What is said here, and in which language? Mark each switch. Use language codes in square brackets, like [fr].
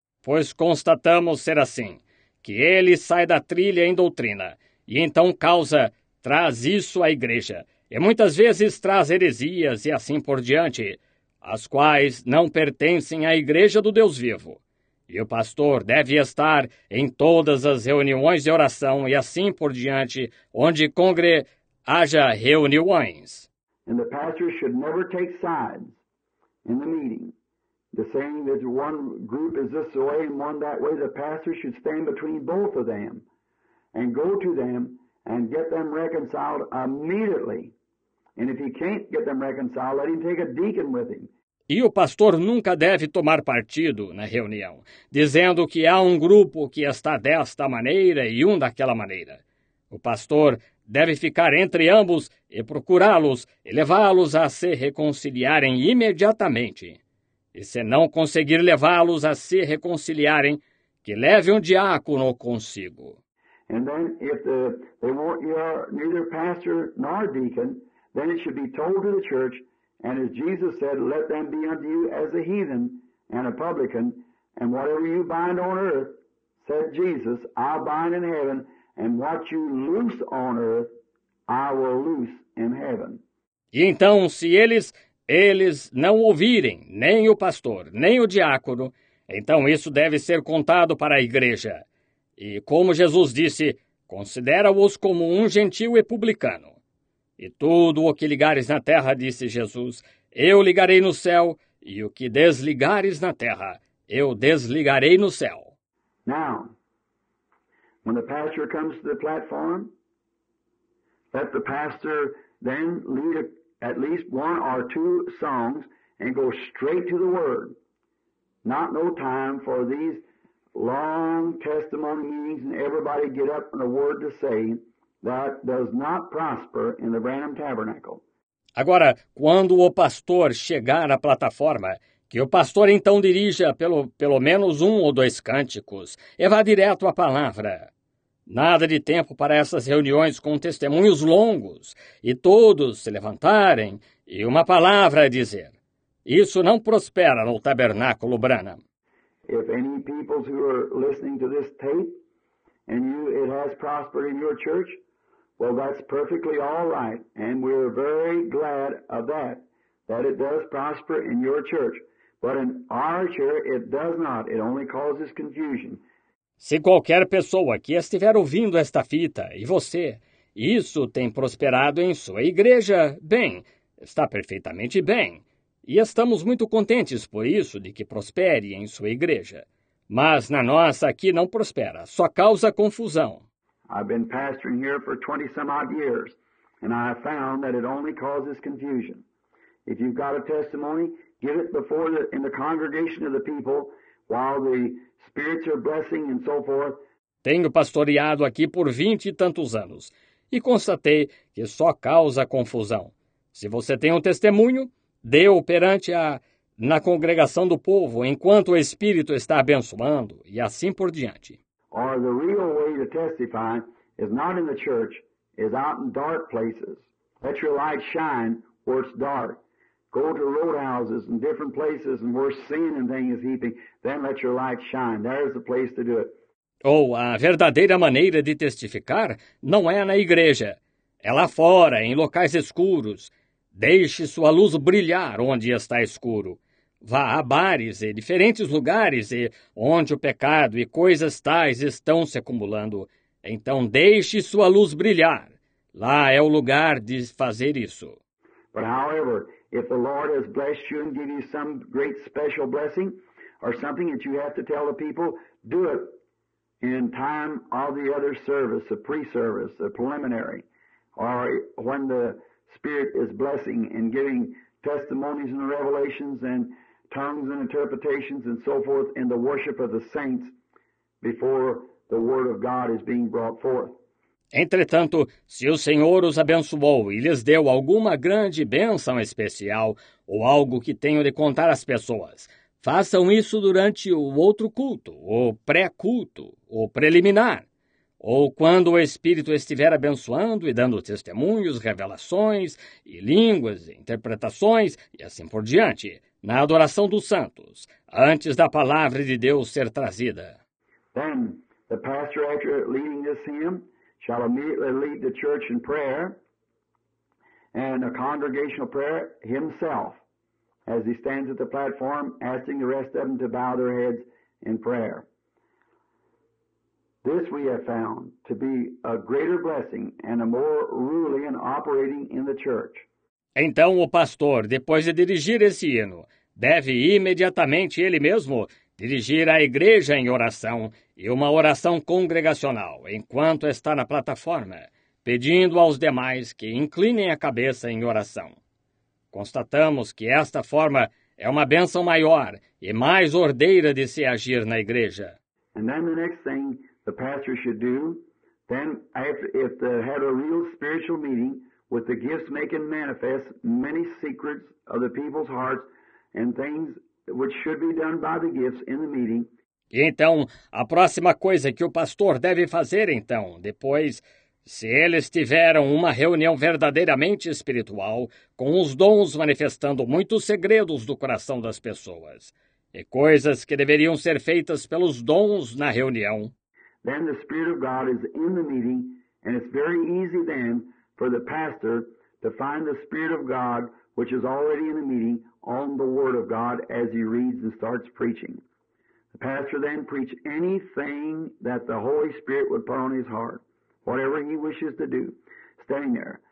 [pt] Pois constatamos ser assim, que ele sai da trilha em doutrina, e então traz isso à igreja, e muitas vezes traz heresias e assim por diante, as quais não pertencem à igreja do Deus vivo. E o pastor deve estar em todas as reuniões de oração e assim por diante, onde haja reuniões. [en] And the pastor should never take sides in the meeting. The saying that one group is this way and one that way, the pastor should stand between both of them and go to them and get them reconciled immediately. And if he can't get them reconciled, let him take a deacon with him. [pt] E o pastor nunca deve tomar partido na reunião, dizendo que há um grupo que está desta maneira e um daquela maneira. O pastor deve ficar entre ambos e procurá-los e levá-los a se reconciliarem imediatamente. E se não conseguir levá-los a se reconciliarem, que leve um diácono consigo. E então, se não quiser nem pastor nem deacon, então deve ser dito à igreja. [en] And as Jesus said, let them be unto you as a heathen and a publican, and whatever you bind on earth, said Jesus, I'll bind in heaven, and what you loose on earth, I will loose in heaven. [pt] E então, se eles não ouvirem, nem o pastor, nem o diácono, então isso deve ser contado para a igreja. E como Jesus disse, considera-os como um gentil e publicano. E tudo o que ligares na terra, disse Jesus, eu ligarei no céu, e o que desligares na terra, eu desligarei no céu. [en] Now, when the pastor comes to the platform, let the pastor then lead at least one or two songs and go straight to the word. Not no time for these long testimony meetings and everybody get up and a word to say. That does not prosper in the Branham Tabernacle. [pt] Agora, quando o pastor chegar à plataforma, que o pastor então dirija pelo menos um ou dois cânticos e vá direto à palavra. Nada de tempo para essas reuniões com testemunhos longos e todos se levantarem e uma palavra a dizer. Isso não prospera no Tabernáculo Branham. [en] If any people who are listening to this tape and you, it has prospered in your church, well, that's perfectly all right, and we're very glad of that, that it does prosper in your church. But in our church, it does not. It only causes confusion. [pt] Se qualquer pessoa que estiver ouvindo esta fita, e você, isso tem prosperado em sua igreja, bem, está perfeitamente bem. E estamos muito contentes por isso, de que prospere em sua igreja. Mas na nossa aqui não prospera, só causa confusão. [en] I've been pastoring here for 20-some-odd years, and I have found that it only causes confusion. If you've got a testimony, give it before in the congregation of the people, while the spirits are blessing and so forth. [pt] Tenho pastoreado aqui por 20-e-tantos anos, e constatei que só causa confusão. Se você tem um testemunho, dê-o perante na congregação do povo, enquanto o Espírito está abençoando, e assim por diante. [en] Or the real way to testify is not in the church, is out in dark places. Let your light shine where it's dark. Go to roadhouses and different places and where sin and things is heaping. Then let your light shine. There is the place to do it. [pt] Ou a verdadeira maneira de testificar não é na igreja. É lá fora, em locais escuros. Deixe sua luz brilhar onde está escuro. Vá a bares e diferentes lugares e onde o pecado e coisas tais estão se acumulando. Então deixe sua luz brilhar. Lá é o lugar de fazer isso. [en] But however, if the Lord has blessed you and given you some great special blessing or something that you have to tell the people, do it in time of the other service, the pre-service, the preliminary, or when the Spirit is blessing and giving testimonies and revelations and tongues and interpretations and so forth in the worship of the saints before the word of God is being brought forth. [pt] Entretanto, se o Senhor os abençoou e lhes deu alguma grande bênção especial ou algo que tenham de contar às pessoas, façam isso durante o outro culto, o pré-culto, o preliminar. Ou quando o Espírito estiver abençoando e dando testemunhos, revelações e línguas, interpretações e assim por diante, na adoração dos santos, antes da palavra de Deus ser trazida. [en] Then, the pastor after leading this hymn shall immediately lead the church in prayer and a congregational prayer himself as he stands at the platform asking the rest of them to bow their heads in prayer. This we have found to be a greater blessing and a more ruling and operating in the church. [pt] Então o pastor, depois de dirigir esse hino, deve imediatamente ele mesmo dirigir a igreja em oração e uma oração congregacional enquanto está na plataforma, pedindo aos demais que inclinem a cabeça em oração. Constatamos que esta forma é uma bênção maior e mais ordeira de se agir na igreja. [en] And then the next thing the pastor should do, then if they had a real spiritual meeting with the gifts making manifest many secrets of the people's hearts and things which should be done by the gifts in the meeting. [pt] E então, a próxima coisa que o pastor deve fazer, então, depois, se eles tiveram uma reunião verdadeiramente espiritual, com os dons manifestando muitos segredos do coração das pessoas, e coisas que deveriam ser feitas pelos dons na reunião. [en] Then the Spirit of God is in the meeting, and it's very easy then for the pastor to find the Spirit of God, which is already in the meeting, on the Word of God as he reads and starts preaching. The pastor then preaches anything that the Holy Spirit would put on his heart, whatever he wishes to do, standing there.